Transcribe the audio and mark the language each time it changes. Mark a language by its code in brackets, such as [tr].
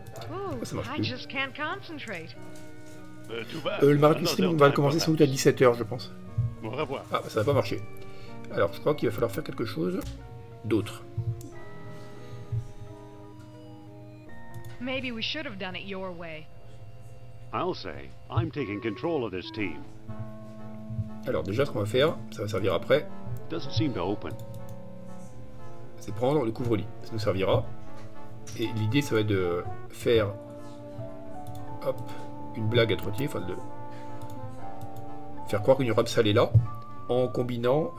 [en] Ooh, I just can't concentrate. [fr] Le marathon stream va commencer sans doute à 17h, je pense. Bon, au revoir. Ah, ça va pas marcher. Alors, je crois qu'il va falloir faire quelque chose d'autre. [en] Maybe we should have done it your way. I'll say, I'm taking control of this team. [fr] Alors, déjà, ce qu'on va faire, ça va servir après. [en] Doesn't seem to open. [fr] C'est prendre le couvre-lit. Ça nous servira. Et l'idée, ça va être de faire. Hop, une blague à Trottier, enfin de faire croire qu'une robe salée là, en combinant.